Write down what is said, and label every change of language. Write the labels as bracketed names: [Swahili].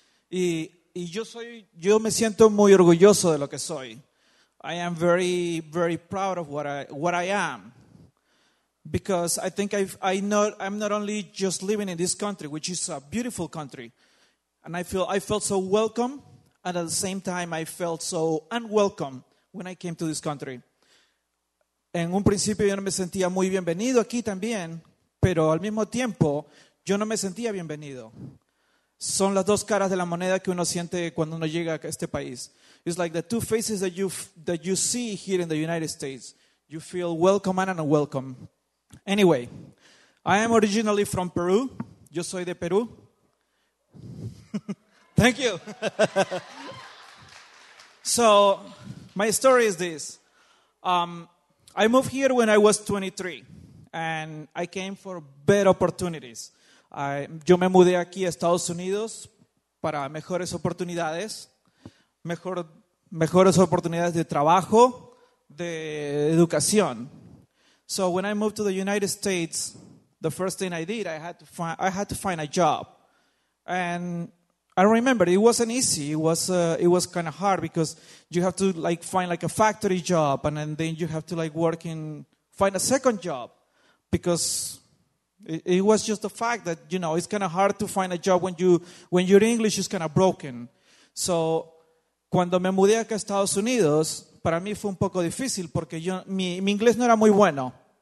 [Spanish] Y yo me siento muy orgulloso de lo que soy. [English] I am very, very proud of what I am. Because I think I'm not only just living in this country, which is a beautiful country. And I felt so welcome, and at the same time I felt so unwelcome when I came to this country. [Spanish] En un principio yo no me sentía muy bienvenido aquí también, pero al mismo tiempo yo no me sentía bienvenido. Son las dos caras de la moneda que uno siente cuando uno llega a este país. [English] It's like the two faces that you see here in the United States. You feel welcome and unwelcome. Anyway, I am originally from Peru. [Spanish] Yo soy de Peru. [English] Thank you. So, my story is this. I moved here when I was 23, and I came for better opportunities. [Spanish] Yo me mudé aquí a Estados Unidos para mejores oportunidades, mejores oportunidades de trabajo, de educación. [English] So when I moved to the United States, the first thing I did, I had to find a job. And I remember it wasn't easy. It was kind of hard because you have to like find like a factory job, and then you have to like find a second job, because it was just the fact that, you know, it's kind of hard to find a job when your English is kind of broken. [Spanish] So cuando me mudé acá a Estados Unidos, para mí fue un poco difícil porque mi inglés no era muy bueno.